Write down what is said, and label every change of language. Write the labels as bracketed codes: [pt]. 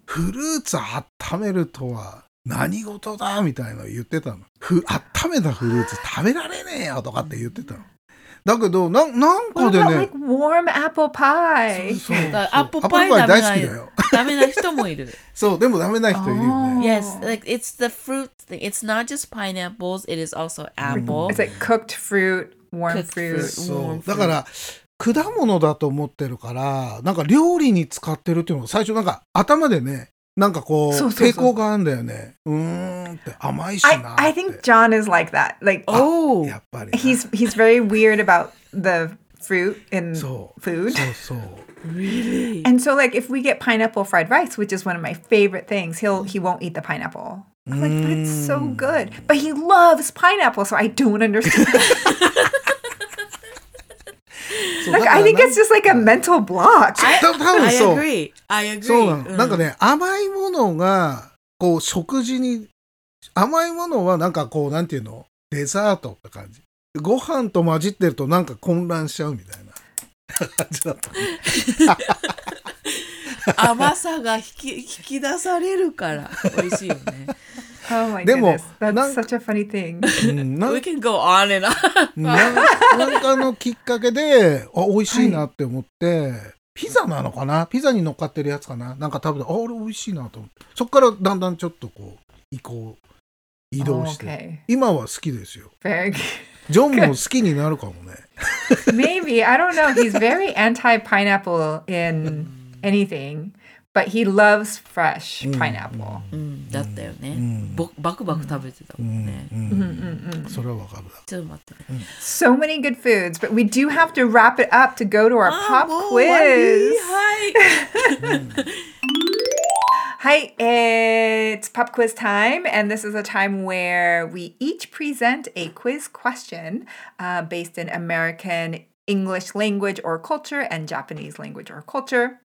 [ja] フルーツ温めるとは何事だみたいな言ってたの。温めたフルーツ食べられねえよとかって言ってたの。だけどなんかでね。 [en] Like warm apple pie. [ja] アップルパイ大好きだよ。ダメな人もいる。そう、でもダメな人いるよね。 [en] Yes, like it's the fruit thing. It's not just pineapples, it is also apple. It's like cooked fruit, warm fruit. [ja] そう、だから果物だと思ってるから、なんか料理に使ってるっていうのは最初なんか頭でね、なんかこう抵抗があるんだよね。うーんって甘いしなって。 [en] I think John is like that. Like, [ja] oh, やっぱり。 [en] He's very weird about the fruit in food. [ja] そうそう。 [en] Really? And so like if we get pineapple fried rice, which is one of my favorite things, he won't eat the pineapple. I'm like, but it's so good. But he loves pineapple, so I don't understand. Like, I think it's just like a mental block. I agree. [ja] そうなの。なんかね、甘いものがこう食事に、甘いものはなんかこうなんていうの、デザートって感じ。ご飯と混じってるとなんか混乱しちゃうみたいな。甘さが引き出されるから美味しいよね。 [en] Oh my goodness. でも、That's such a funny thing. We can go on and on. [ja] なんかのきっかけで、あ、美味しいなって思って、はい、ピザなのかな？ピザに乗っかってるやつかな？なんか食べて、あ、俺美味しいなと思って。そっからだんだんちょっとこう、移動して。 [en] Oh, okay. [ja] 今は好きですよ。 [en] Very good. [ja] ジョンも好きになるかもね。 [en] Maybe, I don't know. He's very anti-pineapple in anything, but he loves fresh pineapple. [ja] だったよね。バクバク食べてたもんね。それはわかる。ちょっと待って。 [en] So many good foods, but we do have to wrap it up to go to our pop quiz. [ja] はい。 [en] Hi, it's pop quiz time, and this is a time where we each present a quiz question based in American English language or culture and Japanese language or culture.